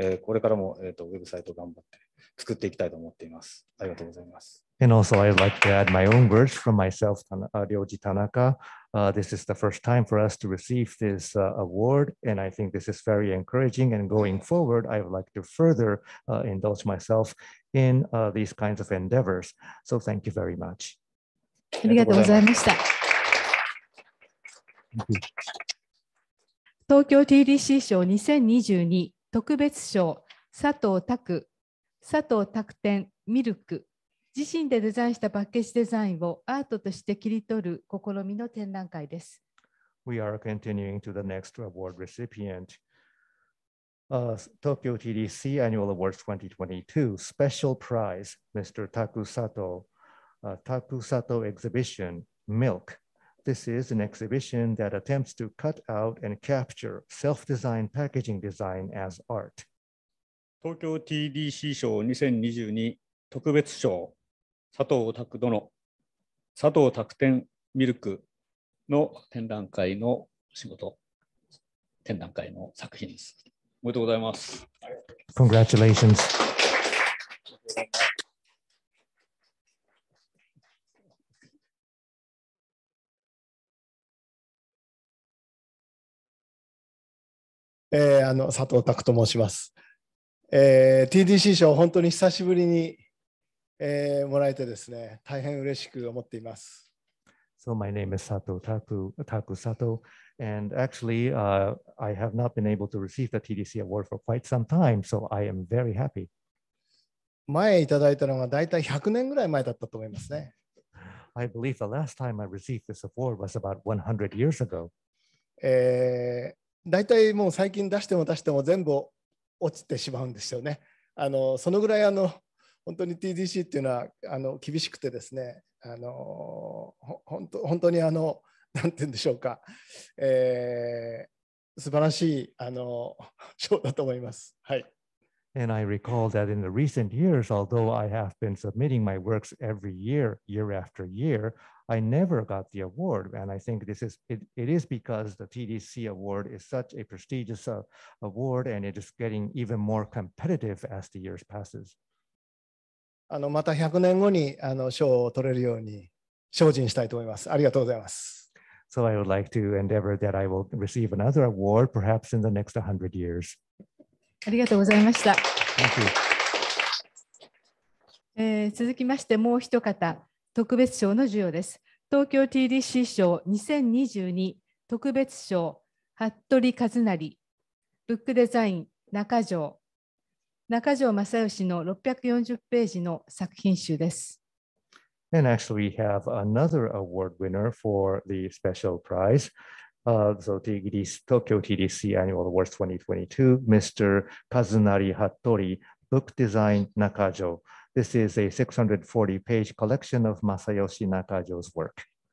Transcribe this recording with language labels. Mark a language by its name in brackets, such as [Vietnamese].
[Japanese] これからも、ウェブサイト頑張って作っていきたいと思っています。ありがとうございます。 [English] And also, I'd like to add my own words from myself, Ryoji Tanaka. This is the first time for us to receive this award, and I think this is very encouraging. And going forward, I would like to further indulge myself in these kinds of endeavors. So thank you very much. [Japanese] ありがとうございました。東京 TDC 賞2022特別賞佐藤拓展ミルク自身でデザインしたパッケージデザインをアートとして切り取る試みの展覧会です。 [English] We are continuing to the next award recipient. Tokyo TDC Annual Awards 2022 Special Prize, Mr. Taku Sato, Taku Sato Exhibition, Milk. This is an exhibition that attempts to cut out and capture self-designed packaging design as art. [Japanese] 東京 TDC 賞2022特別賞佐藤拓殿、佐藤拓展ミルクの展覧会の仕事、展覧会の作品です。おめでとうございます。 [English] Congratulations. [Japanese] あの佐藤拓と申します、TDC 賞本当に久しぶりに、もらえてですね大変嬉しく思っています [English] So my name is Sato Taku, Taku Sato and actually、I have not been able to receive the TDC award for quite some time so I am very happy [Japanese] 前いただいたのがだいたい100年ぐらい前だったと思いますね [English] I believe the last time I received this award was about 100 years ago [Japanese] だいたいもう最近出しても出しても全部落ちてしまうんですよね。そのぐらい本当に TDC っていうのは厳しくてですね、本当に何て言うんでしょうか、素晴らしい賞だと思います。はい。 [English] And I recall that in the recent years, although I have been submitting my works every year, year after year, I never got the award. And I think this is, it is because the TDC award is such a prestigious award and it is getting even more competitive as the years passes. [Japanese] また100年後に賞を取れるように精進したいと思います。ありがとうございます。 [English] So I would like to endeavor that I will receive another award perhaps in the next 100 years. [Japanese] ありがとうございました、続きましてもう一方特別賞の授与です東京 TDC 賞2022特別賞服部和成ブックデザイン中条正義の640ページの作品集です [English] And actually we have another award winner for the special prizeSo Tokyo TDC Annual Awards 2022, Mr. Kazunari Hattori, Book Design Nakajo. This is a 640-page collection of Masayoshi Nakajo's work.